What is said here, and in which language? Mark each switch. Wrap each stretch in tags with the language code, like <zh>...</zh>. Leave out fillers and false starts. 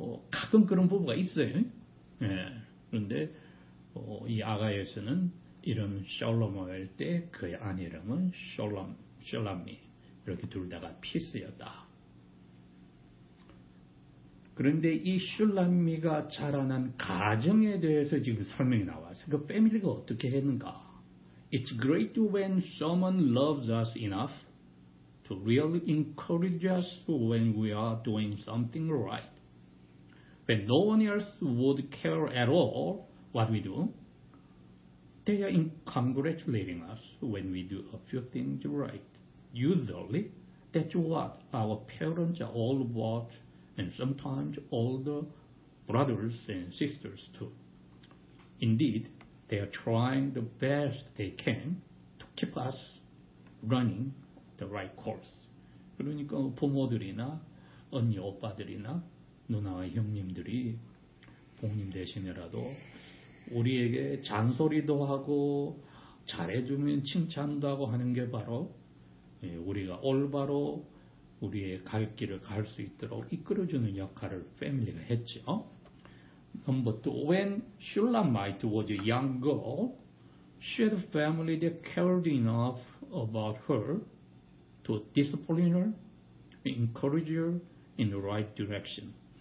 <ko>가끔 그런 부부가 있어요. 예. 그런데 이 아가에서는 이름 솔로몬일 때 그의 아내 이름은 솔람미. 이렇게 둘 다가 피스였다. 그런데 이 슐람미가 자라난 가정에 대해서 지금 설명이 나와서 그 패밀리가 어떻게 했는가?</ko> <en>It's great when someone loves us enough to really encourage us when we are doing something right. When no one else would care at all what we do, they are congratulating us when we do a few things right. Usually, that's what our parents are all about, and sometimes older brothers and sisters too. Indeed, they are trying the best they can to keep us running the right course.</en> <ko>그러니까 부모들이나 언니, 오빠들이나 누나와 형님들이 부모님 대신이라도 우리에게 잔소리도 하고 잘해주면 칭찬도 하고 하는 게 바로 우리가 올바로 우리의 갈 길을 갈 수 있도록 이끌어주는 역할을 패밀리가 했죠.</ko> <en>넘버 2. When Shulamite was a young girl, she had a family that cared enough about her to discipline her, encourage her in the right direction.</en>